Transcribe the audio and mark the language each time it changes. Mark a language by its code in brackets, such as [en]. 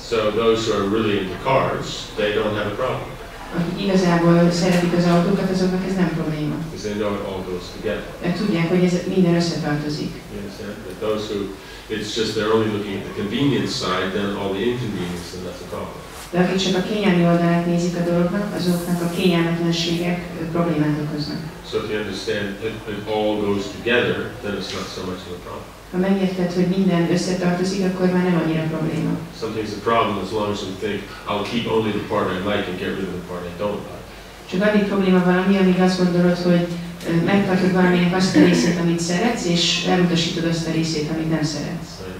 [en] So those who are really into cars, they don't have a problem. [hu] Akik igazából szeretik az autókat, azoknak ez nem probléma. [en] Because they know it all goes together. [hu] Mert tudják, hogy ez minden összetartozik. [en] But those who, it's just they're only looking at the convenience side, then all the inconvenience, then that's a problem. [hu] De akik csak a kényelmi oldalát nézik a dolognak, azoknak a kényelmetlenségek problémát okoznak. [en] So if you understand it all goes together, then it's not so much of a problem. [hu] Ha megérted, hogy minden összetartozik, akkor már nem annyira probléma. [en] Sometimes the problem as long as you think, I'll keep only the part I like and get rid of the part I don't like. [hu] Csak annyi probléma valami, amíg azt gondolod, hogy megtartod valaminek azt a részét, amit szeretsz, és elutasítod azt a részét, amit nem szeretsz.